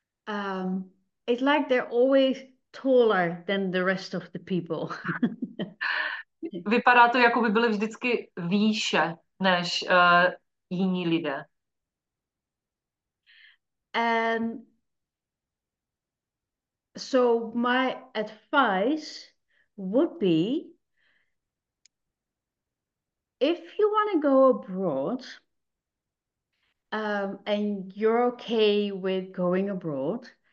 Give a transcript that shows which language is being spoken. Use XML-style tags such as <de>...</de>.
<en>It's like they're always taller than the rest of the people.</en> <cs>Vypadá to, jako by byly vždycky výše než jiní lidé.</cs> <en>And so my advice would be, if you want to go abroad, and you're okay with going abroad,</en>